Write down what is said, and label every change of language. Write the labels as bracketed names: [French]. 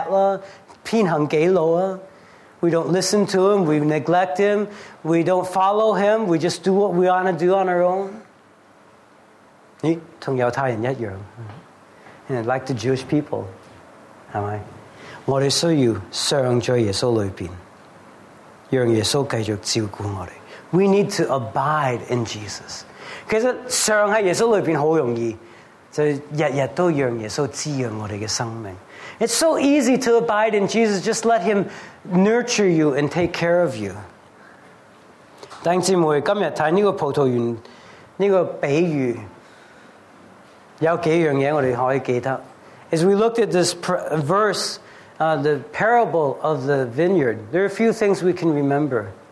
[Chinese] 是不理耶稣了,拒绝耶稣了,不听他指责了,偏行己路了。 [English] We don't listen to him, we neglect him, we don't follow him, we just do what we want to do on our own. [Chinese] 咦,跟犹太人一样。 [English] And like the Jewish people, am I? [Chinese] 我们需要常在耶稣里面,让耶稣继续照顾我们。 [English] We need to abide in Jesus. [Chinese] 其实常在耶稣里面很容易,就是每天都让耶稣滋养我们的生命。 [English] It's so easy to abide in Jesus, just let him nurture you and take care of you. [Chinese] 弟兄姊妹,今天看这个葡萄园,这个比喻, 有几样东西我们可以记得。 [English] As we looked at this verse, the parable of the vineyard, there are a few things we can remember.